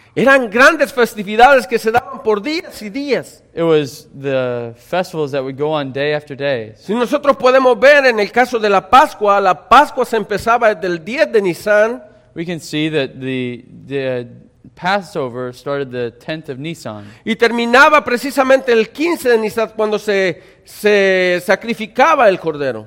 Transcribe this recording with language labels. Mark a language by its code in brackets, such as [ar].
[es] Eran grandes festividades que se daban por días y días. [en] It was the festivals that would go on day after day. [es] Si nosotros podemos ver en el caso de la Pascua se empezaba desde el 10 de Nisan. [en] We can see that the Passover started the 10th of Nisan. [es] Y terminaba precisamente el 15 de Nisan cuando se sacrificaba el cordero.